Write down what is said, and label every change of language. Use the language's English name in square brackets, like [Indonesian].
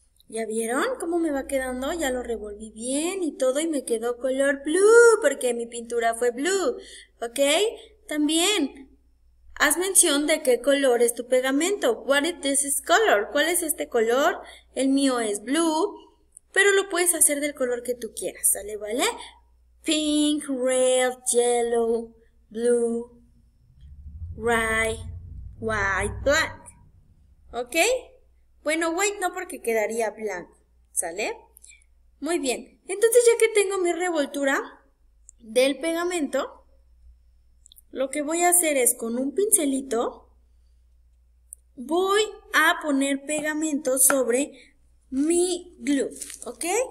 [Spanish] ¿Ya vieron cómo me va quedando? Ya lo revolví bien y todo y me quedó color blue, porque mi pintura fue blue, ¿ok? También, haz mención de qué color es tu pegamento. What is this color? ¿Cuál es este color? El mío es blue, pero lo puedes hacer del color que tú quieras, ¿sale? ¿Vale? [English] Pink, red, yellow, blue, white, white, black. [Spanish] ¿Ok? Bueno, white no porque quedaría blanco, ¿sale? Muy bien. Entonces, ya que tengo mi revoltura del pegamento, lo que voy a hacer es con un pincelito, voy a poner pegamento sobre mi glue, ¿ok?